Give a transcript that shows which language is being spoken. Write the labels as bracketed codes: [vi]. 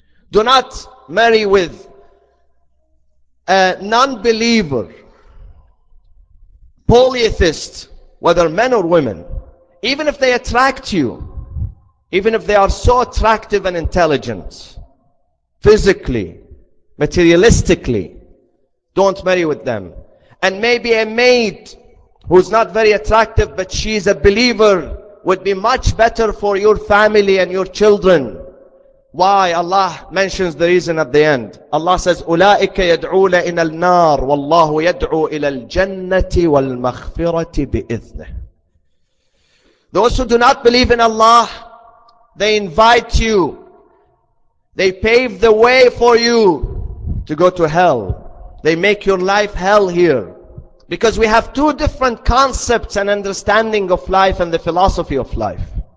[en] Do not marry with a non-believer, polytheist, whether men or women, even if they attract you, even if they are so attractive and intelligent, physically, materialistically, don't marry with them. And maybe a maid who's not very attractive, but she's a believer, would be much better for your family and your children. Why? Allah mentions the reason at the end. Allah says, [ar] أُولَٰئِكَ يَدْعُونَ إِنَ النَّارِ وَاللَّهُ يَدْعُو إِلَى الْجَنَّةِ وَالْمَغْفِرَةِ بِإِذْنِهِ. [en] Those who do not believe in Allah, they invite you, they pave the way for you to go to hell. They make your life hell here. Because we have two different concepts and understanding of life and the philosophy of life.